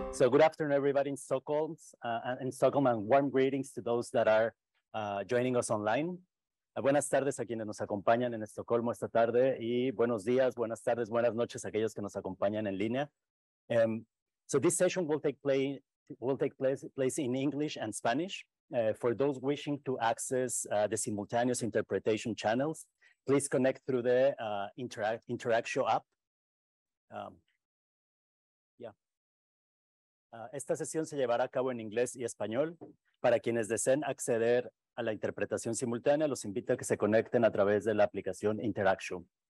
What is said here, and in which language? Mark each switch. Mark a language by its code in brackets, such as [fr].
[en] good afternoon, everybody in Stockholm, and warm greetings to those that are joining us online. [es] Buenas tardes a quienes nos acompañan en Estocolmo esta tarde, y buenos días, buenas tardes, buenas noches a aquellos que nos acompañan en línea. [en] So this session will take place in English and Spanish. For those wishing to access the simultaneous interpretation channels, please connect through the Interaction app. [es] Esta sesión se llevará a cabo en inglés y español. Para quienes deseen acceder a la interpretación simultánea, los invito a que se conecten a través de la aplicación Interaction.